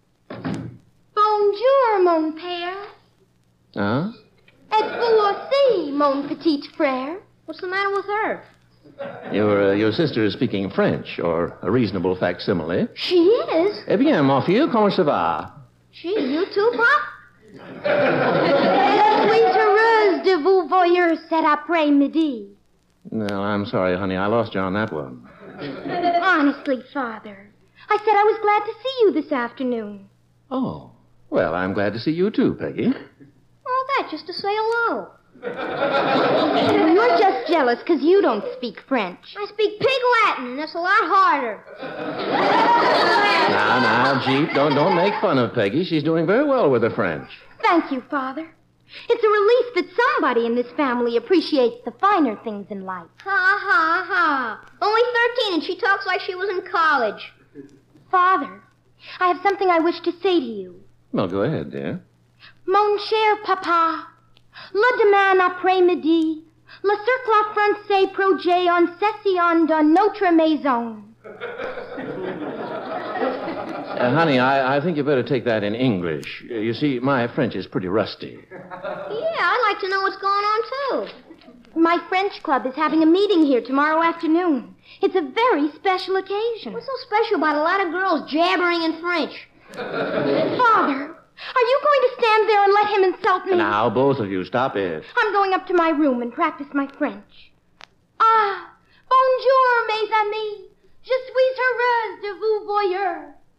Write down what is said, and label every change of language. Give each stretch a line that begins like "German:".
French: Bonjour, mon père. Huh? Et vous aussi, mon petit frère.
English: What's the matter with her? Your sister is speaking French, or a reasonable facsimile. She is.
French: Eh bien, ma fille, comment ça va?
English: Gee, you too, Pop?
French: Suis heureuse de vous voir cet après-midi.
English: No, I'm sorry, honey. I lost you on that one. Honestly, Father, I said I was glad to see you this afternoon. Oh, well, I'm glad to see you too, Peggy. All that just to say hello. You're just jealous because you don't speak French. I speak Pig Latin, and that's a lot harder. Now, Jeep, don't make fun of Peggy. She's doing very well with her French. Thank you, Father. It's a relief that somebody in this family appreciates the finer things in life. Ha, ha, ha. Only 13, and she talks like she was in college. Father, I have something I wish to say to you. Well, go ahead, dear.
French: Mon cher papa. Le demain après-midi, le cercle français projet en session de notre maison.
English: Honey, I think you better take that in English. You see, my French is pretty rusty. Yeah, I'd like to know what's going on, too. My French club is having a meeting here tomorrow afternoon. It's a very special occasion. What's so special about a lot of girls jabbering in French? Father... Are you going to stand there and let him insult me? Now, both of you, stop it. I'm going up to my room and practice my French.
French: Ah, bonjour, mes amis. Je suis heureuse de vous voir.